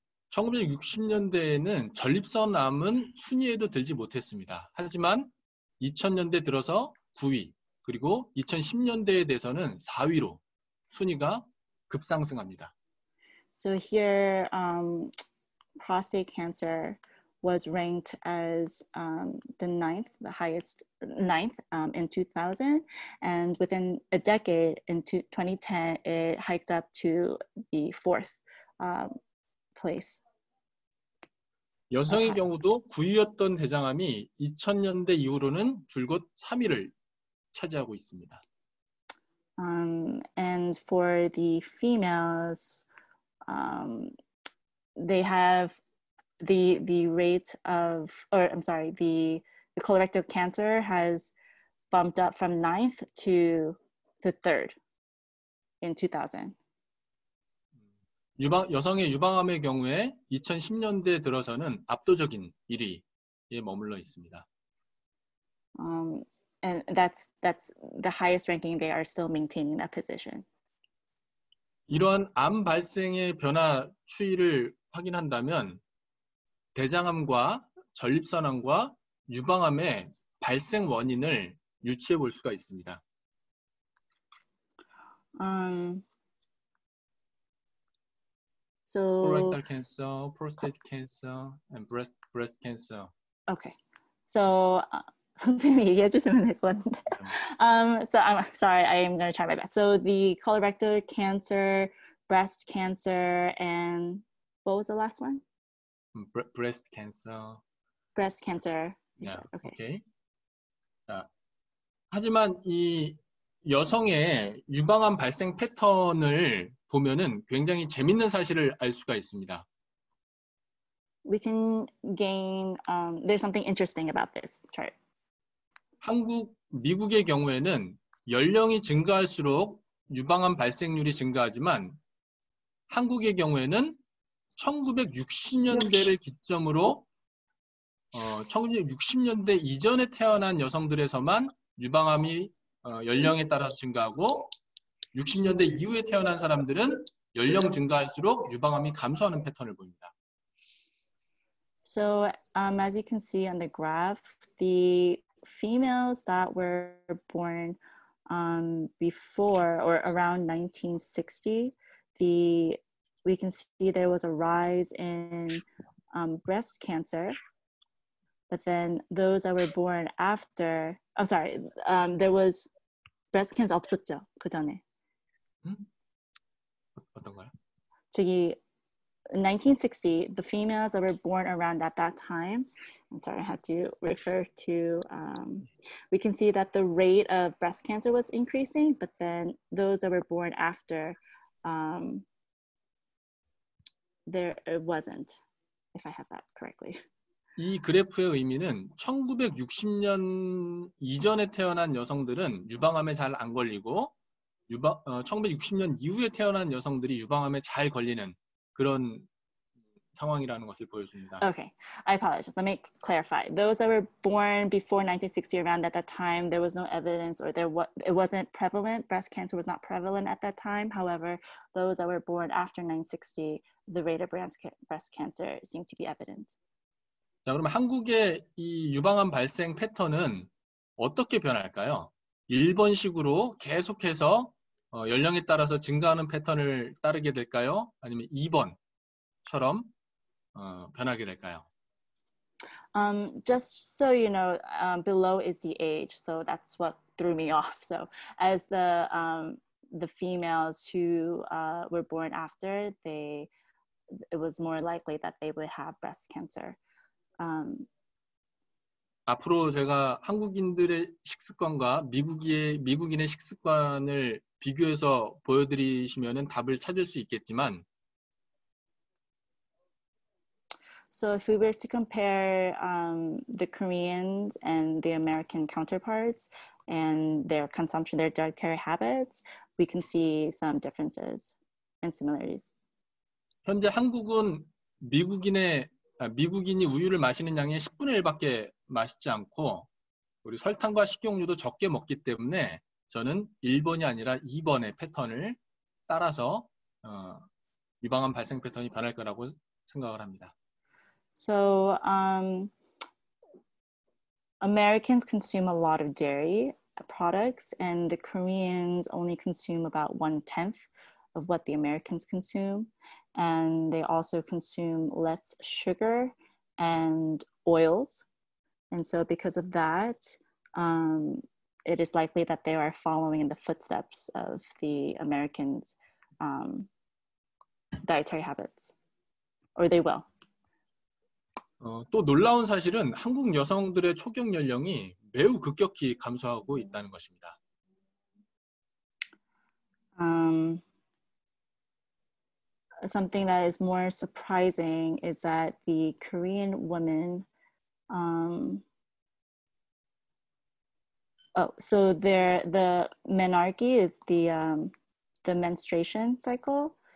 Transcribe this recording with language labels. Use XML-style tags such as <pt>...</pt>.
<ko>1960년대에는 전립선 암은 순위에도 들지 못했습니다. 하지만 2000년대 들어서 9위, 그리고 2010년대에 대해서는 4위로 순위가 급상승합니다.</ko> <en>So here, prostate cancer was ranked as the ninth highest in 2000, and within a decade in 2010 it hiked up to the fourth place.</en> <ko>여성의 경우도 9위였던 대장암이 2000년대 이후로는 줄곧 3위를 차지하고 있습니다.</ko> <en>And for the females, the colorectal cancer has bumped up from ninth to the third in 2000.</en> <ko>여성의 유방암의 경우에 2010년대 들어서는 압도적인 1위에 머물러 있습니다.</ko> <en>And that's the highest ranking. They are still maintaining that position.</en> <ko>이러한 암 발생의 변화 추이를 확인한다면 대장암과 전립선암과 유방암의 발생 원인을 유추해 볼 수가 있습니다.</ko> <en>So colorectal cancer, prostate cancer, and breast cancer. Okay.</en> <ko>So 선생님이 얘기해 주시면 될 것 같은데.</ko> <en>So I'm sorry. I am going to try my best. So the colorectal cancer, breast cancer, and what was the last one? Breast cancer. Breast cancer. Yeah. Okay.</en> <ko>자, 하지만 이 여성의 유방암 발생 패턴을 보면은 굉장히 재밌는 사실을 알 수가 있습니다.</ko> <en>We can gain. There's something interesting about this chart.</en> <ko>미국의 경우에는 연령이 증가할수록 유방암 발생률이 증가하지만 한국의 경우에는 1960년대를 기점으로 1960년대 이전에 태어난 여성들에서만 유방암이 연령에 따라서 증가하고 60년대 이후에 태어난 사람들은 연령 증가할수록 유방암이 감소하는 패턴을 보입니다.</ko> <en>So as you can see on the graph, the females that were born before or around 1960, we can see there was a rise in breast cancer, but then those that were born after, I'm sorry, there was breast cancer</en> <ko>없었죠, 그 전에. 어떤가요?</ko> <en>저기, 1960, the females that were born around at that time, I'm sorry, I have to refer to, we can see that the rate of breast cancer was increasing, but then those that were born after, there it wasn't, if I have that correctly.</en> <ko>이 그래프의 의미는 1960년 이전에 태어난 여성들은 유방암에 잘 안 걸리고 1960년 이후에 태어난 여성들이 유방암에 잘 걸리는 그런 상황이라는 것을 보여줍니다.</ko> <en>Okay, I apologize. Let me clarify. Those that were born before 1960, around at that time, there was no evidence or there was, it wasn't prevalent. Breast cancer was not prevalent at that time. However, those that were born after 1960, the rate of breast cancer seemed to be evident.</en> <ko>자, 그러면 한국의 이 유방암 발생 패턴은 어떻게 변할까요? 1번식으로 계속해서 연령에 따라서 증가하는 패턴을 따르게 될까요? 아니면 2번처럼 변하게 될까요?</ko> <en>Just so you know, below is the age, so that's what threw me off. So as the females who were born after, they it was more likely that they would have breast cancer.</en> <ko>앞으로 제가 한국인들의 식습관과 미국인의 식습관을 비교해서 보여드리시면은 답을 찾을 수 있겠지만.</ko> <en>So if we were to compare the Koreans and the American counterparts and their consumption, their dietary habits, we can see some differences and similarities.</en> <ko>현재 한국은 미국인이 우유를 마시는 양의 10분의 1밖에 마시지 않고 우리 설탕과 식용유도 적게 먹기 때문에 저는 1번이 아니라 2번의 패턴을 따라서 유방암 발생 패턴이 변할 거라고 생각을 합니다.</ko> <en>So Americans consume a lot of dairy products and the Koreans only consume about 1/10 of what the Americans consume. And they also consume less sugar and oils. And so because of that, it is likely that they are following in the footsteps of the Americans' dietary habits. Or they will.</en> <ko>또 놀라운 사실은 한국 여성들의 초경 연령이 매우 급격히 감소하고 있다는 것입니다.</ko> <en>Something that is more surprising is that the Korean women, the menarche is the menstruation cycle.</en>